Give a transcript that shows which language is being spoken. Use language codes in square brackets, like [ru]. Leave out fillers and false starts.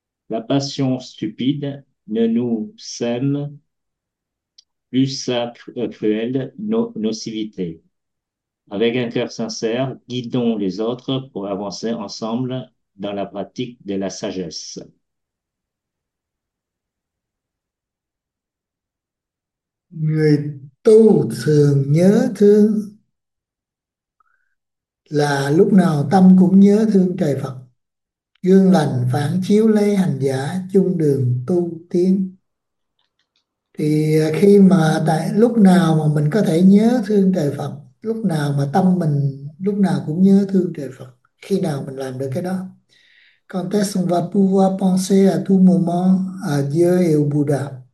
[fr] La passion stupide ne nous sème plus sa cruelle nocivité. Avec un cœur sincère, guidons les autres pour avancer ensemble dans la pratique de la sagesse. [vi] Người tu thường nhớ thương là lúc nào tâm cũng nhớ thương trời Phật. Gương lành phản chiếu lấy hành giả chung đường tu tiến. Thì khi mà tại lúc nào mà mình có thể nhớ thương trời Phật, lúc nào mà tâm mình lúc nào cũng nhớ thương trời Phật, khi nào mình làm được cái đó? [fr] Quand est-ce qu'on va pouvoir penser à tout moment à Dieu et au Bouddha?